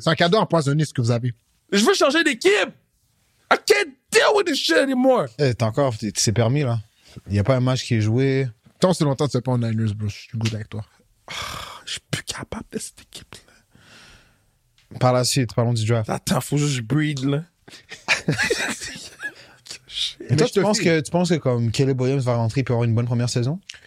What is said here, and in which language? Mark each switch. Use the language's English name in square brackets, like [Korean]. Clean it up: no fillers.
[French] C'est un cadeau empoisonné, ce que vous avez. Je veux changer d'équipe! [English] I can't deal with this shit anymore! [French] Hey, t'es encore, c'est permis, là. Il n'y a pas un match qui est joué. Tant c'est longtemps que tu ne sais pas en Niners, bro. Je suis good avec toi. Je suis plus capable de cette équipe, là. Par la suite, parlons du draft. Attends, faut juste que je breathe, là. Et toi, tu penses que comme Caleb Williams va rentrer et avoir une bonne première saison?